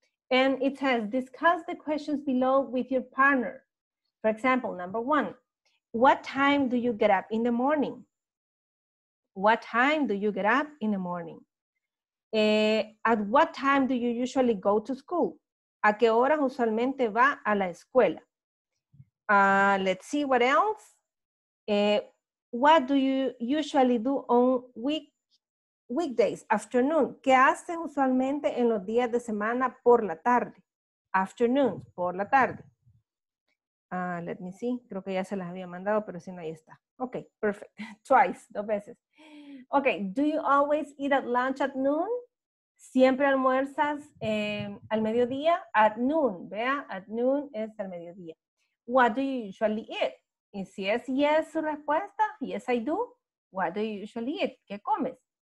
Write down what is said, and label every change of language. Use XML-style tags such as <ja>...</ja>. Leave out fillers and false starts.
<en>And it says, discuss the questions below with your partner. For example, number one, what time do you get up in the morning? What time do you get up in the morning? At what time do you usually go to school?</en> <es>¿A qué hora usualmente va a la escuela?</es> <en>Let's see what else. What do you usually do on weekdays, afternoon?</en> <es>¿Qué haces usualmente en los días de semana por la tarde?</es> <en>Afternoon,</en> <es>por la tarde.</es> <en>Let me see.</en> <es>Creo que ya se las había mandado, pero si no, ahí está.</es> <en>Ok, perfect. Twice,</en> <es>dos veces.</es> <en>Ok, do you always eat at lunch at noon?</en> <es>¿Siempre almuerzas al mediodía? At noon, vea, at noon es al mediodía.</es> <en>What do you usually eat?</en> <es>Y si es yes su respuesta,</es> <en>yes I do, what do you usually eat?</en> <es>¿Qué comes?</es>